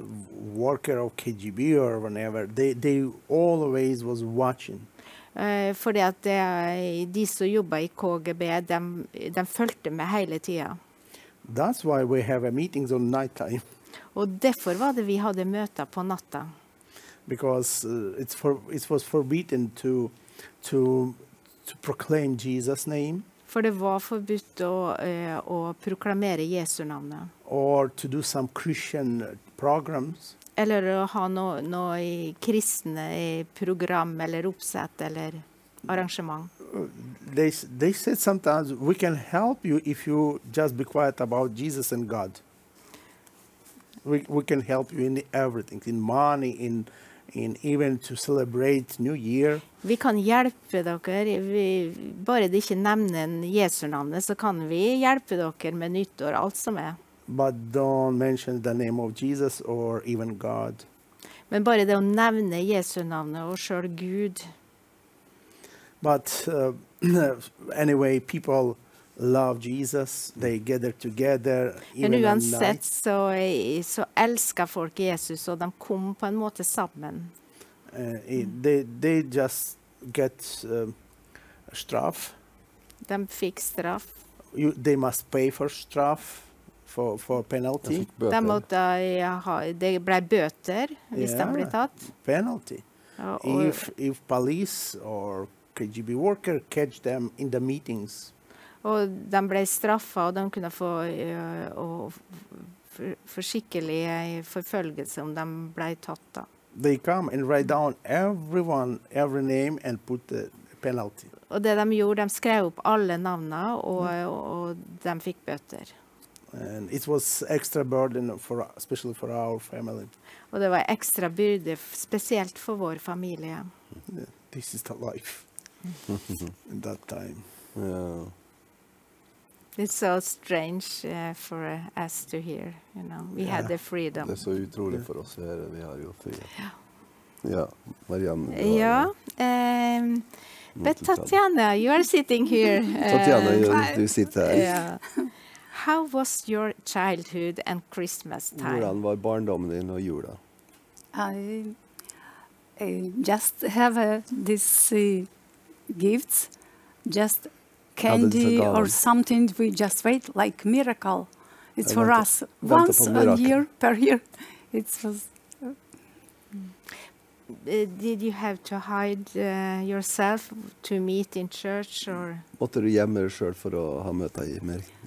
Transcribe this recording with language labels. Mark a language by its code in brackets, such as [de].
[en] Worker of KGB or whenever, they always was watching. [no] Fordi at de som jobbet i KGB, de følte med hele tiden. [en] That's why we have meetings on night time. [no] Og derfor var det vi hadde møter på natta. [en] Because it was forbidden to proclaim Jesus' name. [no] For det var forbudt å proklamere Jesu navnet. [en] Or to do some Christian programs. [no] Eller å ha noe i kristne program eller oppsett eller arrangement. [en] They said sometimes we can help you if you just be quiet about Jesus and God. We can help you in everything, in money, in even to celebrate New Year. [no] Vi kan hjelpe dere. Bare det ikke nevner Jesu navnet, så kan vi hjelpe dere med nyttår, alt som er. [en] But don't mention the name of Jesus or even God. [no] Men bare det å nevne Jesu navnet og selv Gud. [en] But anyway, people love Jesus. They gather together. [no] Men uansett så elsker folk Jesus, og de kom på en måte sammen. [en] They just get straff. [no] De fikk straff. [en] They must pay for straff. For penalty. [no] De måtte ha, det ble bøter hvis de ble tatt. [en] Penalty. If police or KGB worker catch them in the meetings. [no] Og de ble straffet, og de kunne få forskikkelig forfølgelse om de ble tatt da. [en] They come and write down everyone, every name and put the penalty. [no] Og det de gjorde, de skrev opp alle navnene og de fikk bøter. [en] And it was extra burden for especially for our family. [sv] Och det var extra byrde speciellt för vår familj. [en] Yeah, this is the life in that time. Yeah. It's so strange for us to hear, you know. We had the freedom. [sv] Det är så otroligt för oss här, vi har ju frihet. Ja. Ja, Marianne. Ja, [en] but Tatiana, you are sitting here. [sv] Tatiana, du sitter här. Ja. [en] How was your childhood and Christmas time? [no] Hvordan var barndommen din og jula? [en] I just have these gifts, just candy or something. We just wait like miracle. It's for us once a year per year. It was. Did you have to hide yourself to meet in church or? [no] Måtte du gjemme deg selv for å ha møte i mer?